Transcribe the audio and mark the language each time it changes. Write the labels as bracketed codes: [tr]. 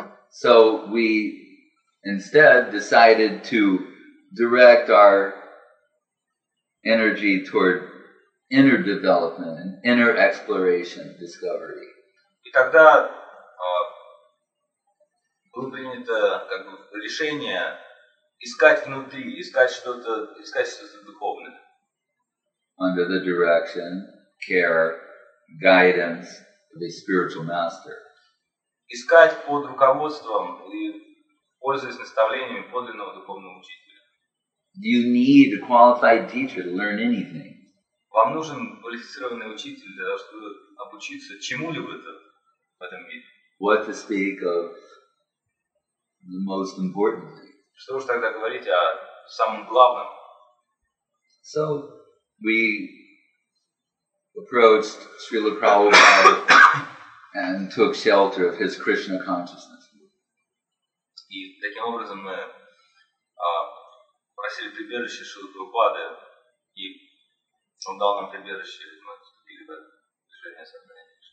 [en] So we instead decided to direct our energy toward inner development, inner exploration, discovery. [ru] И тогда было принято как бы решение искать внутри, искать что-то духовное. [en] Under the direction, care, guidance of a spiritual master. [ru] Искать под руководством и пользуясь наставлениями подлинного духовного учителя. [en] Do you need a qualified teacher to learn anything? [ru] Вам нужен квалифицированный учитель для того, чтобы обучиться чему-либо в этом мире? [en] What to speak of the most important thing? [ru] Что уж тогда говорить о самом главном? [en] So we approached Srila Prabhupada and took shelter of his Krishna consciousness. [ru] И таким образом мы просили прибежище Шрилы Прабхупады, и он дал нам прибежище, и мы вступили в движение сознания.